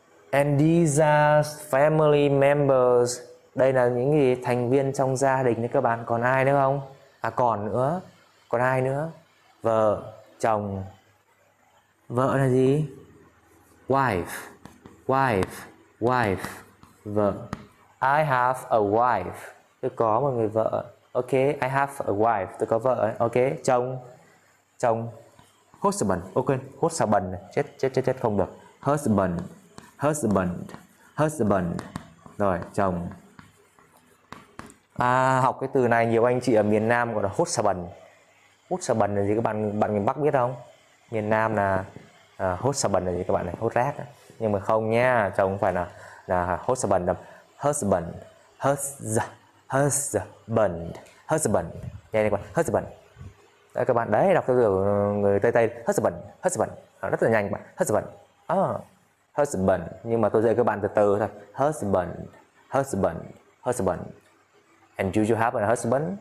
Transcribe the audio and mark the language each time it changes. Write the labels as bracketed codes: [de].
[en] And these are family members. [vi] Đây là những gì? Thành viên trong gia đình đấy các bạn. Còn ai nữa không? À còn nữa. Còn ai nữa? Vợ. Chồng. Vợ là gì? Wife. Wife. Wife. Vợ. [en] I have a wife. [vi] Tôi có một người vợ. Ok. [en] I have a wife. [vi] Tôi có vợ. Ok. Chồng. Chồng. Husband. Ok. Husband. Chết chết chết chết không được. Husband. Husband. Husband. Rồi, chồng. À, học cái từ này nhiều anh chị ở miền Nam gọi là husband. Husband là gì các bạn? Bạn miền Bắc biết không? Miền Nam là husband là gì các bạn? Hút rác. Nhưng mà không nha, chồng không phải là husband. Là husband. Husband. Husband. Husband. Nghe này các bạn. Husband. Đấy các bạn, đấy, đọc cái từ người Tây Tây. Husband. Husband. Rất là nhanh các bạn. Husband. Husband, nhưng mà tôi dạy các bạn từ từ thôi. [en] Husband, husband, husband. And do you have a husband?